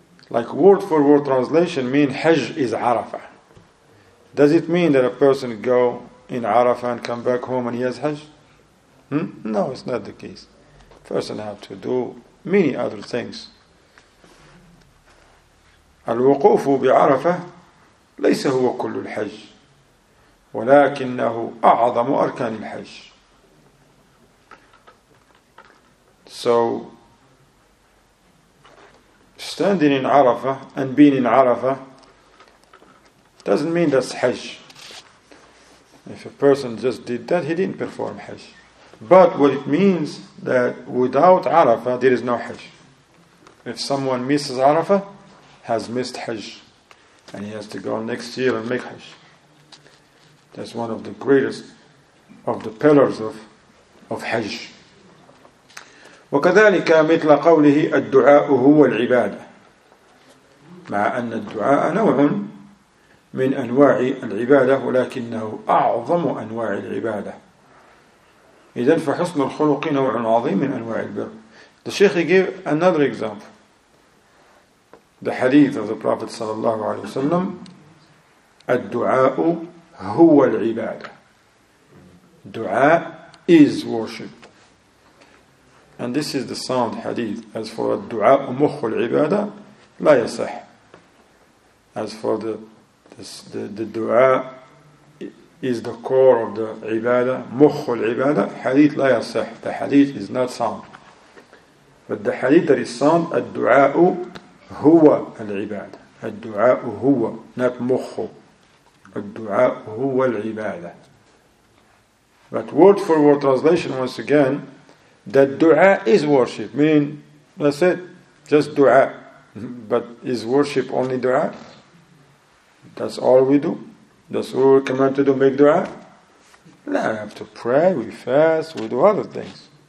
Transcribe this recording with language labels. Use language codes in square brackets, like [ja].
[en] Like word for word translation mean حج is عرفة. Does it mean that a person go in عرفة and come back home and he has حج? No, it's not the case. Person have to do many other things. [ar] الوقوف بعرفة ليس هو كل الحج ولكنه أعظم أركان الحج. [en] So standing in عرفة and being in عرفة doesn't mean that's حج. If a person just did that, he didn't perform حج. But what it means that without عرفة there is no حج. If someone misses عرفة, has missed Hajj, and he has to go next year and make Hajj. That's one of the greatest of the pillars of Hajj. [ar] وكذلك مثل قوله الدعاء هو العبادة مع أن الدعاء نوع من أنواع العبادة ولكنه أعظم أنواع العبادة. إذن فحسن الخلق نوع عظيم من أنواع البر. [en] The Sheikh gave another example. The hadith of the Prophet sallallahu alaihi wasallam, [ar] "الدُّعاء هو العبادة." [en] دعاء is worship, and this is the sound hadith. As for [ar] الدعاء مخ العبادة, لا يصح. [en] As for the دعاء is the core of the عبادة, [ar] مخ العبادة, [en] hadith [ar] لا يصح. [en] The hadith is not sound, but the hadith that is sound, [ar] الدعاء هو العبادة. الدعاء هو, [en] not [ar] مخ. الدعاء هو العبادة. [en] But word for word translation once again, that دعاء is worship. Meaning, that's it, just دعاء. But is worship only دعاء? That's all we do? That's all we command to do, make دعاء? No, we have to pray, we fast, we do other things.